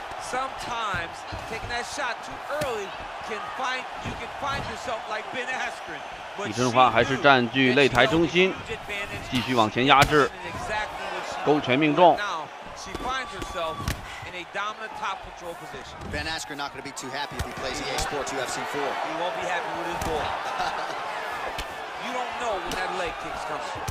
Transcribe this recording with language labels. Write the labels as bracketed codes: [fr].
[en] Sometimes taking that shot too early can find you can find yourself like Ben Askren. [zh] 李春花还是占据擂台中心，继续往前压制，勾拳命中。 [en] Now she finds herself in a dominant top control position. Ben Askren not going to be too happy if he plays EA Sports UFC 4. He won't be happy with his ball. You don't know when that leg kicks comes.